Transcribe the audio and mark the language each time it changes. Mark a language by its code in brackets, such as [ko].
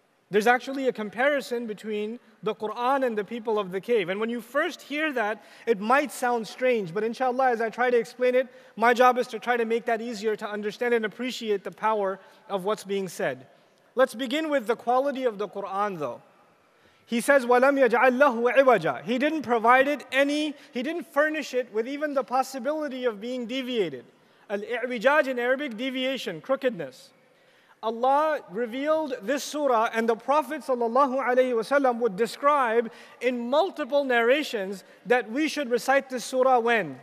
[en] There's actually a comparison between the Qur'an and the people of the cave. And when you first hear that, it might sound strange, but inshallah, as I try to explain it, my job is to try to make that easier to understand and appreciate the power of what's being said. Let's begin with the quality of the Qur'an though. He says, [ar] وَلَمْ يَجْعَلْ لَهُ عِوَجًا. [en] He didn't provide it any, he didn't furnish it with even the possibility of being deviated. Al-i'wijaj in Arabic, deviation, crookedness. Allah revealed this surah, and the Prophet ﷺ would describe in multiple narrations that we should recite this surah when?